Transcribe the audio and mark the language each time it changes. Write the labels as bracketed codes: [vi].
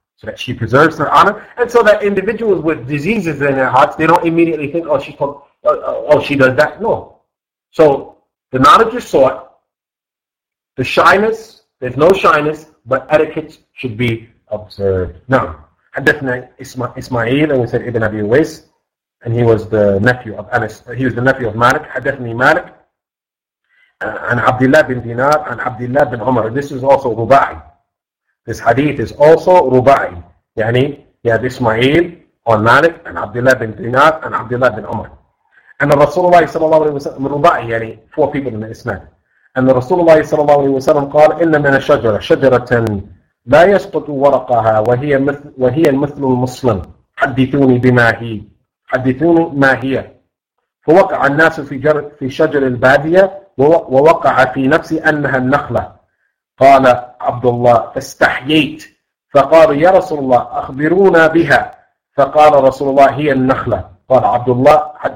[en] So that she preserves her honor. And so that individuals with diseases in their hearts, they don't immediately think, oh, she does that. No. So the knowledge is sought. The shyness, there's no shyness, but etiquette should be observed. Now, [ar] حدثنا [en] إسماعيل and we said Ibn Abi Uwais and he was the nephew of Anas, he was the nephew of Malik. [ar] حدثني مالك عن عبد الله بن دينار عن عبد الله بن عمر. [en] This is also Ruba'i. This hadith is also Ruba'i. يعني he had إسماعيل on Malik and عبد الله بن دينار and عبد الله بن عمر. And the Rasulullah صلى الله عليه وسلم Ruba'i, يعني four people in the Islam. And the Rasulullah [ar] صلى الله عليه وسلم قال إن من الشجرة شجرة لا يسقط ورقها وهي مثل المسلم حدثوني بما هي حدثوني ما هي فوقع الناس في شجر البادية ووقع في نفسي أنها النخلة قال عبد الله فاستحييت فقال يا رسول الله أخبرونا بها فقال رسول الله هي النخلة قال عبد الله